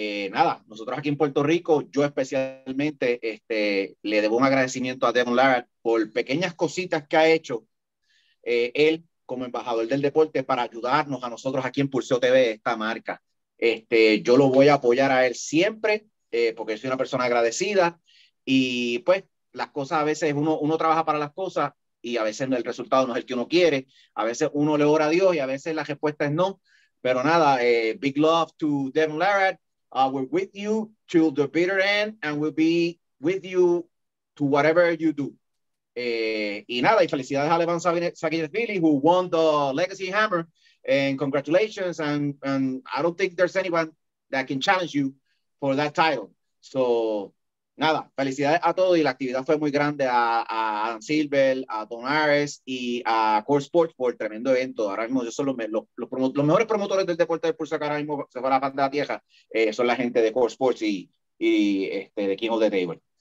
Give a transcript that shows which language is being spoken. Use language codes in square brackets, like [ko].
[es] Nada, nosotros aquí en Puerto Rico, yo especialmente le debo un agradecimiento a Devon Lara por pequeñas cositas que ha hecho él como embajador del deporte para ayudarnos a nosotros aquí en Pulseo TV, esta marca. Yo lo voy a apoyar a él siempre porque soy una persona agradecida y pues las cosas a veces uno trabaja para las cosas y a veces el resultado no es el que uno quiere. A veces uno le ora a Dios y a veces la respuesta es no. Pero nada, [en] big love to Devon Larratt. We're with you till the bitter end and we'll be with you to whatever you do. [es] Y nada, y felicidades a Levan Sakinashvili, [en] who won the Legacy Hammer. And congratulations. And I don't think there's anyone that can challenge you for that title. [es] So nada, felicidades a todos. Y la actividad fue muy grande a Adam Silver, a Don Ares y a Core Sports por el tremendo evento. Ahora mismo ellos son los mejores promotores del deporte del pulso que ahora mismo se fue a la banda de la tierra. Son la gente de Core Sports y de King of the Table.